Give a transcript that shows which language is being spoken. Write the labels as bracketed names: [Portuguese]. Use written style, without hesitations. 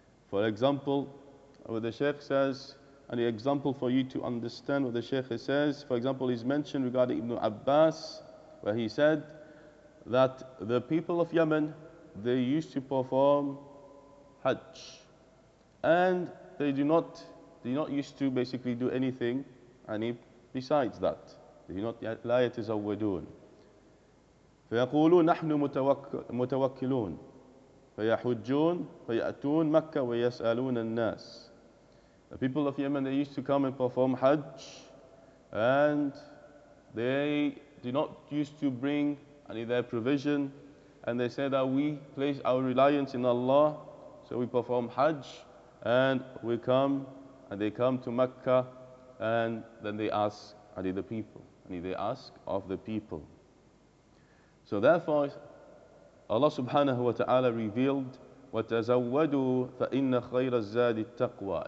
[English] For example, what the Sheikh says, an example for you to understand what the Sheikh says, for example, he's mentioned regarding Ibn Abbas, where he said that the people of Yemen, they used to perform Hajj, and they do not used to basically do anything besides that. They do not yet [Arabic] لا يتزودون. فيقولون نحن متوكلون فيحجون فيأتون مكة ويسألون الناس. [English] The people of Yemen, they used to come and perform Hajj, and they do not used to bring any their provision. And they say that we place our reliance in Allah, so we perform Hajj, and we come, and they come to Mecca, and then they ask the people, So therefore, Allah subhanahu wa ta'ala revealed, [Arabic] وَتَزَوَّدُوا فَإِنَّ خَيْرَ الزَّادِ التَّقْوَى.